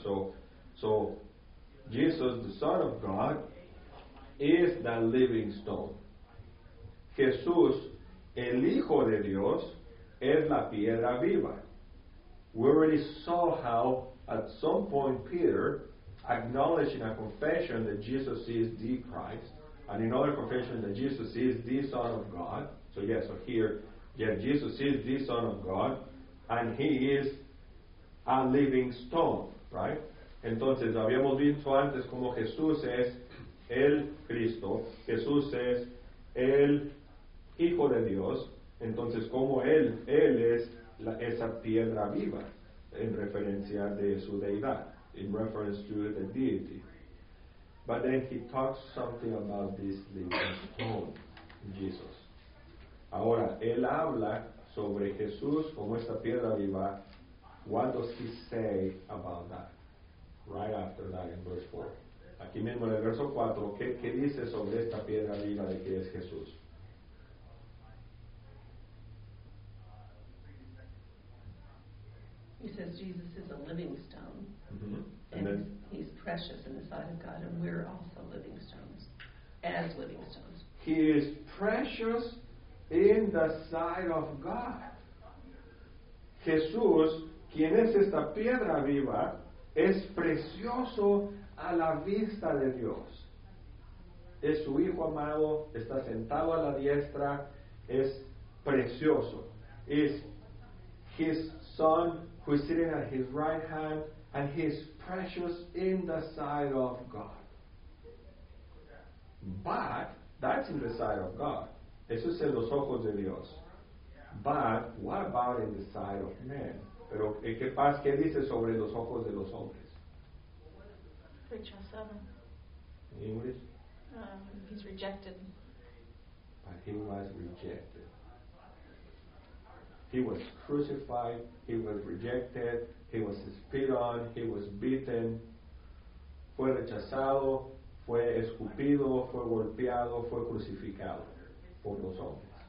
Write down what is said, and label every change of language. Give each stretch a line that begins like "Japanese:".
English: So, Jesus, the Son of God, is the living stone.
Spanish: Jesús, el Hijo de Dios, es la piedra viva.
English: We already saw how, at some point, Peter acknowledged in a confession that Jesus is the Christ. And in other confession that Jesus is the Son of God. So Jesus is the Son of God. And he is a living stone, right?
Spanish: Entonces, habíamos visto antes como Jesús es el Cristo. Jesús es el Hijo de Dios. Entonces, como él es esa piedra viva en referencia de su deidad.
English: In reference to the deity. But then he talks something about this living stone, Jesus.
Spanish: Ahora, él habla sobre Jesús como esta piedra viva.
English: What does he say about that? Right after that, in verse 4.
Spanish: Aquí mismo en el verso 4, ¿qué dice sobre esta piedra viva de que es Jesús?
English: He says Jesus is a living stone. Mm-hmm. And then he's precious in the sight of God, and we're also living stones, as living stones. He is precious in the sight of God.
Spanish: Jesús, quien es esta piedra viva, es precioso a la vista de Dios. Es su Hijo amado, está sentado a la diestra, es precioso.
English: Is his Son, who is sitting at his right hand, and he is precious in the sight of God. But that's in the sight of God.
Spanish: Eso es en los ojos de Dios.
English: But what about in the sight of men?
Spanish: Pero qué pasa, qué dice sobre los ojos de los hombres? Rechazado.
English: In English? He's rejected. But he was rejected. He was crucified, he was rejected, he was spit on, he was beaten,
Spanish: fue rechazado, fue escupido, fue golpeado, fue crucificado por los hombres.